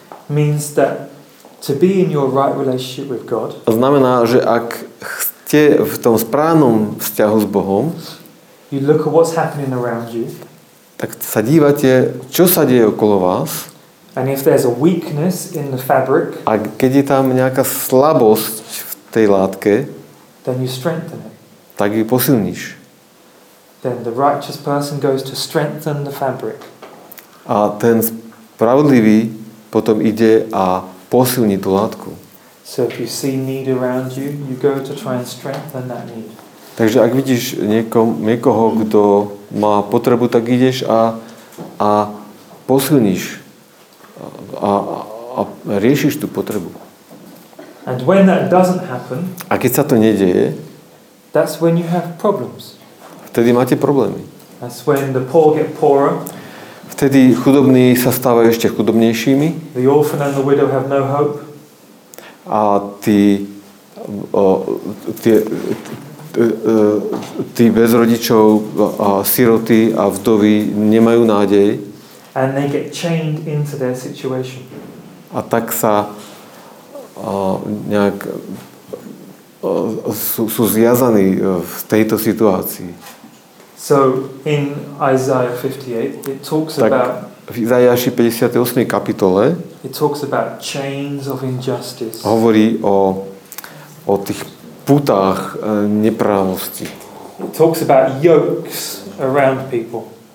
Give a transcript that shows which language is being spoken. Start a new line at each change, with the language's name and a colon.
English: means that to be in your right relationship with God.
Slovak: Znamená, že ak ste v tom správnom vzťahu s Bohom,
English: you look at what's happening around you.
Slovak: Tak sa dívate, čo sa deje okolo vás.
English: And if there's a weakness in the fabric,
Slovak: a keď je tam nejaká slabosť v tej látke,
English: then you strengthen it.
Slovak: Tak ju posilníš.
English: Then the righteous person goes to strengthen the fabric.
Slovak: A ten spravodlivý potom ide a posilní tú látku.
English: So if you see need around you, you go to try and strengthen that need.
Slovak: Takže ak vidíš niekoho, kto má potrebu, tak ideš a posilníš a riešiš tú potrebu.
English: And when that doesn't happen,
Slovak: a keď sa to nedieje,
English: that's when you have problems.
Slovak: Vtedy máte problémy.
English: That's when the poor get poorer.
Slovak: Vtedy chudobní sa stávajú ešte chudobnejšími.
English: The orphan and the widow have no hope.
Slovak: A tí bez rodičov, siroty a vdovy nemajú nádej.
English: And they get chained into their situation.
Slovak: A tak sa nejak sú zviazaní v tejto situácii.
English: So in Isaiah 58 it talks about,
Slovak: v Izaiáši 58. kapitole
English: it talks about chains of injustice.
Slovak: Hovorí o tých putách neprávosti.
English: It talks about yokes around people.